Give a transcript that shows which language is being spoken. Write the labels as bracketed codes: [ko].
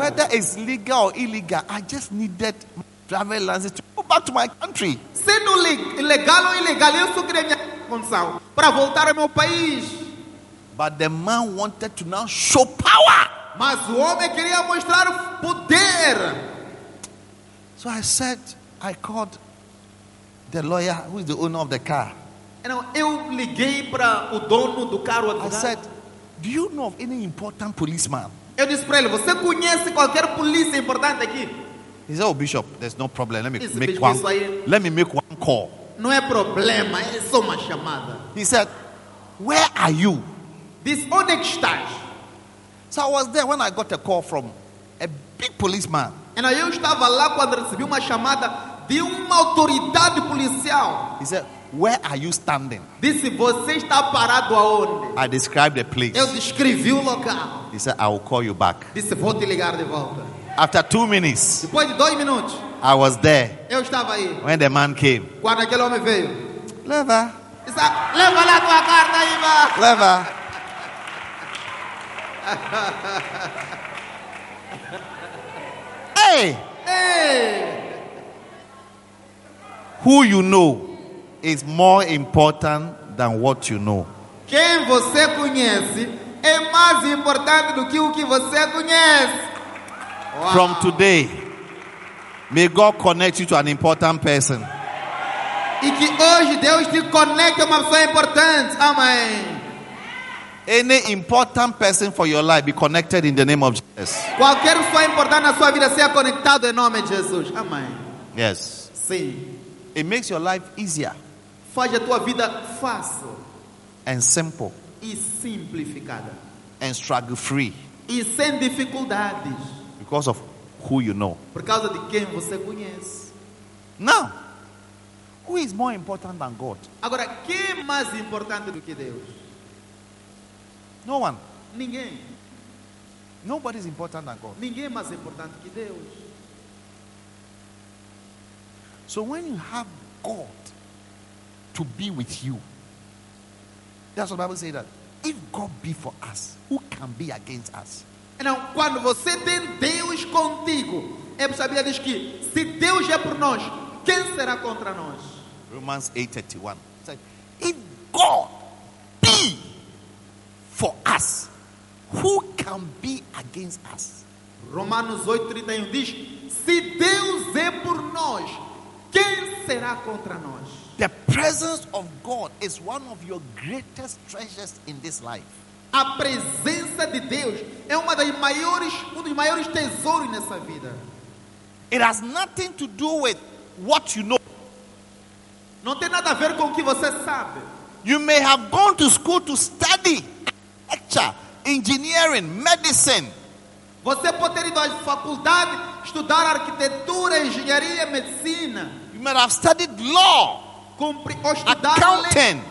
[en] Whether it's legal or illegal, I just needed my driver's license to go back to my country. [pt] Sendo legal ou ilegal, eu só queria minha condição para voltar ao meu país. [en] But the man wanted to now show power. [pt] Mas o homem queria mostrar poder. [en] So I called the lawyer, who is the owner of the car. [pt] Eu liguei para o dono do carro. [en] I said, do you know of any important policeman? [pt] Eu disse para ele, você conhece qualquer polícia importante aqui? [en] He said, oh Bishop, there's no problem. Let me make one call. [pt] Não é problema, é só uma chamada. [en] He said, where are you? This [pt] onde estás? [en] So I was there when I got a call from a big policeman. [pt] E aí eu estava lá quando recebi uma chamada de uma autoridade policial. [en] He said, where are you standing? [pt] Disse, você está parado aonde? [en] I described the place. [pt] Eu descrevi o local. [en] He said, I will call you back. [pt] Disse, vou te ligar de volta. [en] After 2 minutes. [pt] Depois de 2 [en] minutes. I was there. [pt] Eu estava aí. [en] When the man came. [pt] Quando aquele homem veio. Leva. Disse, leva lá tua carta, Iva. Leva. Hey! Hey! [en] Who you know is more important than what you know. [pt] Quem você conhece é mais importante do que o que você conhece. Wow. [en] From today, may God connect you to an important person. [pt] E que hoje Deus te conecte a uma pessoa importante. Amém. [en] Any important person for your life be connected in the name of Jesus. [pt] Qualquer pessoa importante na sua vida seja conectado em nome de Jesus. Amém. [en] Yes. [pt] Sim. [en] It makes your life easier. [pt] Faz a tua vida fácil. [en] And simple. [pt] E simplificada. [en] And struggle free. [pt] E sem dificuldades. [en] Because of who you know. [pt] Por causa de quem você conhece. [en] Now, who is more important than God? [pt] Agora, quem é mais importante do que Deus? [en] No one. [pt] Ninguém. [en] Nobody is important than God. [pt] Ninguém é mais importante que Deus. [en] So when you have God to be with you, that's what the Bible says, that if God be for us, who can be against us? [pt] Então, quando você tem Deus contigo, é para saber diz que se Deus é por nós, quem será contra nós? [en] Romans 8:31. It says, if God be for us, who can be against us? [pt] Romanos 8:31 diz, se Deus é por nós, quem será contra nós? [en] The presence of God is one of your greatest treasures in this life. [pt] A presença de Deus é uma das maiores, um dos maiores tesouros nessa vida. [en] It has nothing to do with what you know. [pt] Não tem nada a ver com o que você sabe. [en] You may have gone to school to study, engineering, medicine. [pt] Você pode ter ido à faculdade estudar arquitetura, engenharia, medicina. [en] You may have studied law, accounting,